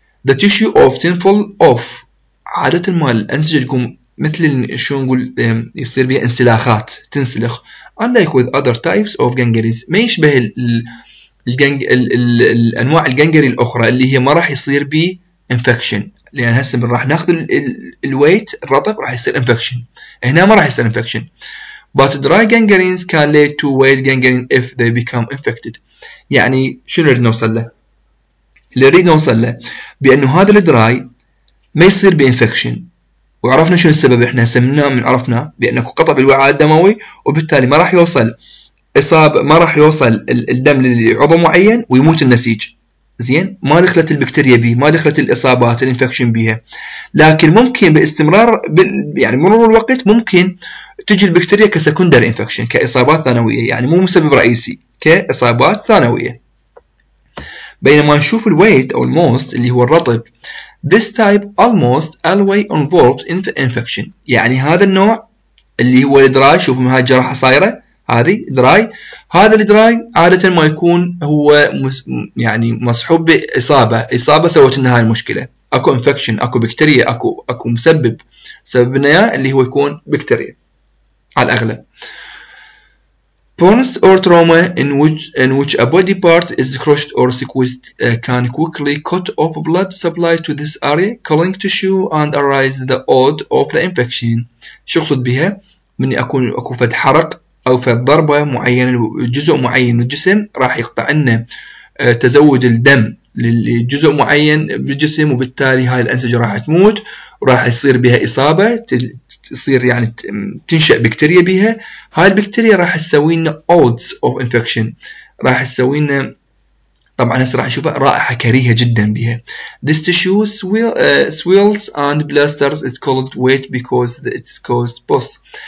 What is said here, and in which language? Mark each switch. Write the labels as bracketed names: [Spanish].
[English] The tissue often fall off، [Arabic] عادة ما الأنسجة تكون مثل شو نقول يصير بها انسلاخات تنسلخ. [English] Unlike with other types of gangrenes، [Arabic] ما يشبه الأنواع الجنجري الأخرى اللي هي ما راح يصير بي infection، لأن هسه راح ناخذ الويت الرطب راح يصير infection، هنا ما راح يصير infection. [English] But dry gangrenes can lead to wet gangrene if they become infected. [Arabic] يعني شو نريد نوصل له؟ اللي نريد نوصل له بأنه هذا الدراي ما يصير بإنفكشن، وعرفنا شنو السبب. احنا سميناه من عرفنا بأنه قطع بالوعاء الدموي، وبالتالي ما راح يوصل إصابة، ما راح يوصل الدم لعضو معين ويموت النسيج. زين، ما دخلت البكتيريا به، ما دخلت الإصابات الإنفكشن بها، لكن ممكن باستمرار يعني مرور الوقت ممكن تجي البكتيريا كسكندر إنفكشن، كإصابات ثانوية، يعني مو مسبب رئيسي، كإصابات ثانوية. بينما نشوف الويت أو الموست اللي هو الرطب، [English] this type almost always involved in the infection، [Arabic] يعني هذا النوع اللي هو الدراي، شوفوا من هاي الجراحة صايرة، هذه دراي، هذا الدراي عادة ما يكون هو يعني مصحوب بإصابة، إصابة سوت لنا هاي المشكلة، اكو infection، اكو بكتيريا، اكو مسبب، سببنا إياه اللي هو يكون بكتيريا على الأغلب. [English] Burns or trauma in which a body part is crushed or squeezed can quickly cut off blood supply to this area, killing tissue and arise the odd of the infection. [Arabic] شو قصد بها؟ من أكو فد حرق أو فد ضربة معينة جزء معين من الجسم راح يقطع لنا تزود الدم للجزء معين بالجسم، وبالتالي هاي الأنسجة راح تموت، راح يصير بها إصابة، تصير يعني تنشأ بكتيريا بها، هاي البكتيريا راح تسوي لنا [English] odds of infection، [Arabic] راح تسوي لنا طبعا هسه راح نشوفها رائحة كريهة جدا بها. [English] This tissue swells and blisters is called wet because it's caused pus.